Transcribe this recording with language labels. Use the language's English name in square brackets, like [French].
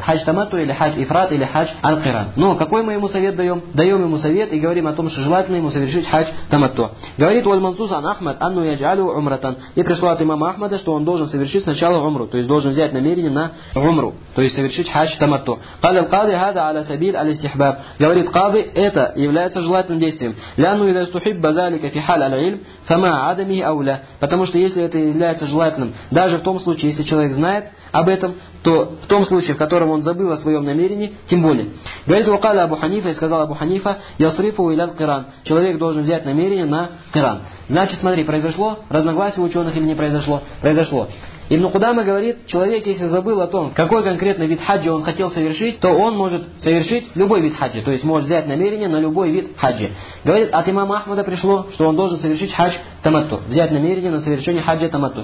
[Russian] Хадж тамату или хадж ифрат или хадж алкиран. Но какой мы ему совет даем? Даем ему совет и говорим о том, что желательно ему совершить хадж тамату. Говорит [Arabic] уальмансус ан ахмад анну яджалю умратан. [Russian] И пришло от имама Ахмада, что он должен совершить сначала умру. То есть должен взять намерение на умру. То есть совершить хадж тамату. [Arabic] قال القاضي هذا على سبيل الاستحباب. [Russian] Говорит قاضي, это является желательным действием. [Arabic] لأنه إذا استحب ذلك في حال العلم فما عدمه أولى. [Russian] Потому что если это является желательным, даже в том случае, если человек знает об этом, то в том случае, в котором он забыл о своем намерении, тем более. Говорит [Arabic] وقال أبو حنيفة, [Russian] и сказал [Arabic] أبو حنيفة, يصرفه إلى القران. [Russian] Человек должен взять намерение на Коран. Значит, смотри, произошло разногласие ученых или не произошло? Произошло. Ибн Кудама говорит, человек, если забыл о том, какой конкретный вид хаджа он хотел совершить, то он может совершить любой вид хаджа, то есть может взять намерение на любой вид хаджа. Говорит, от имама Ахмада пришло, что он должен совершить хадж таматту, взять намерение на совершение хаджа таматту.